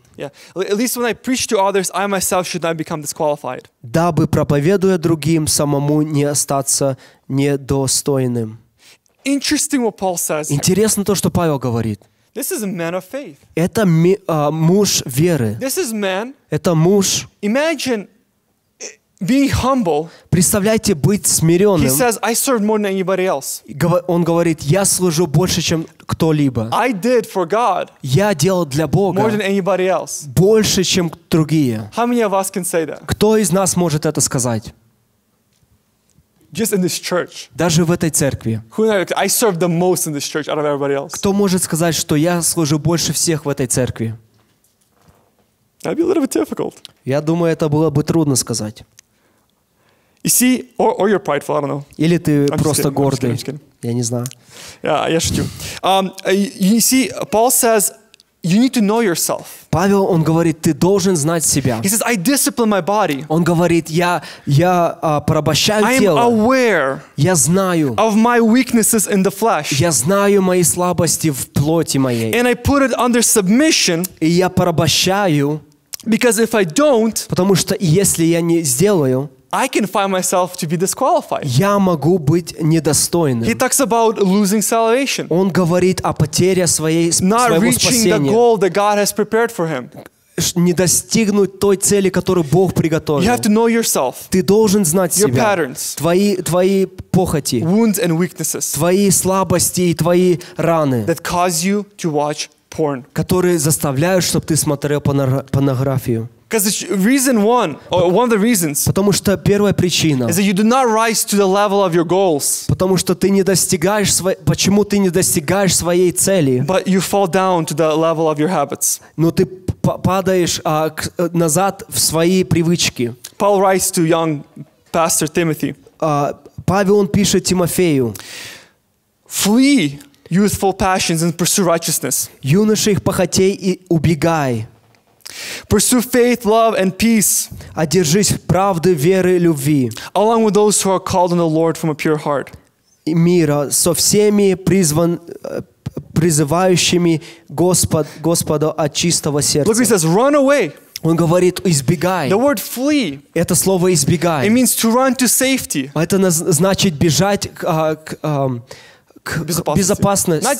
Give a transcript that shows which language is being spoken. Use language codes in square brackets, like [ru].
[en] Yeah. At least when I preach to others, I myself should not become disqualified. [ru] Дабы проповедуя другим, самому не остаться недостойным. [en] Interesting what Paul says. [ru] Интересно то, что Павел говорит. [en] This is a man of faith. [ru] Это муж веры. [en] This is man. [ru] Это муж. [en] Imagine Be humble. [ru] Представляйте быть смиренным. [en] He says, I served more than anybody else. [ru] Он говорит, я служу больше, чем кто-либо. [en] I did for God. [ru] Я делал для Бога. [en] More than anybody else. [ru] Больше, чем другие. [en] How many of us can say that? [ru] Кто из нас может это сказать? [en] Just in this church. [ru] Даже в этой церкви. [en] Who knows? I served the most in this church out of everybody else. [ru] Кто может сказать, что я служу больше всех в этой церкви? [en] That'd be a little bit difficult. [ru] Я думаю, это было бы трудно сказать. [en] You see, or you're prideful, I don't know. [ru] Или ты [en] I'm [ru] просто [en] kidding, [ru] гордый. [en] I'm just kidding. [ru] Я не знаю. [en] Yeah, [ru] я шучу. [en] You see, Paul says, you need to know yourself. [ru] Павел, он говорит, ты должен знать себя. [en] He says, I discipline my body. [ru] Он говорит, я порабощаю [en] I'm [ru] тело. [en] I am aware. [ru] Я знаю. [en] Of my weaknesses in the flesh. [ru] Я знаю мои слабости в плоти моей. [en] And I put it under submission. [ru] И я порабощаю. [en] Because if I don't. [ru] Потому что если я не сделаю. [en] I can find myself to be disqualified. [ru] Я могу быть недостойным. [en] He talks about losing salvation. [ru] Он говорит о потере своей [en] Not reaching [ru] спасения. [en] The goal that God has prepared for him. [ru] Не достигнуть той цели, которую Бог приготовил. [en] You have to know yourself. [ru] Ты должен знать [en] your [ru] себя. [en] Patterns, [ru] твои похоти. [en] Wounds and weaknesses. [ru] Твои слабости и твои раны. [en] That cause you to watch porn. [ru] Которые заставляют, чтобы ты смотрел порнографию. [en] Because reason one, or one of the reasons, [ru] потому что первая причина, [en] is that you do not rise to the level of your goals. [ru] Потому что ты не достигаешь своей, почему ты не достигаешь своей цели? [en] But you fall down to the level of your habits. [ru] Но ты падаешь назад в свои привычки. [en] Paul writes to young pastor Timothy. [ru] Павел он пишет Тимофею. [en] Flee youthful passions and pursue righteousness. [ru] Юношеских похотей и убегай. [en] Pursue faith, love, and peace. [ru] Одержись правды, веры, любви. [en] Along with those who are called on the Lord from a pure heart. [ru] И мира со всеми призывающими Господа от чистого сердца. [en] Look, he says, run away. [ru] Он говорит, избегай. [en] The word flee. [ru] Это слово избегай. [en] It means to run to safety. [ru] Это значит бежать к безопасности.